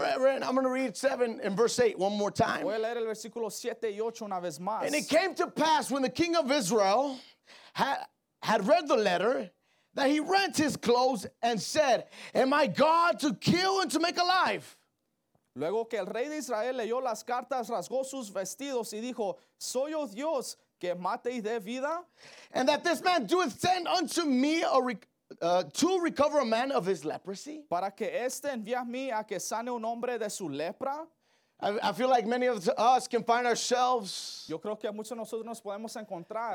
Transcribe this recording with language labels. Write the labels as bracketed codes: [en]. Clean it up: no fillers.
[en] Right, I'm going to read 7 and verse 8 one more time. [es] Voy a leer el versículo 7 y 8 una vez más. [en] And it came to pass when the king of Israel had read the letter that he rent his clothes and said, "Am I God to kill and to make alive?" [es] Luego que el rey de Israel leyó las cartas, rasgó sus vestidos y dijo, ¿soy yo Dios que mate y dé vida? [en] And that this man doeth send unto me to recover a man of his leprosy? [es] Para que este envíe a mí a que sane un hombre de su lepra. [en] I feel like many of us can find ourselves. [es] Yo creo que muchos de nosotros nos podemos encontrar.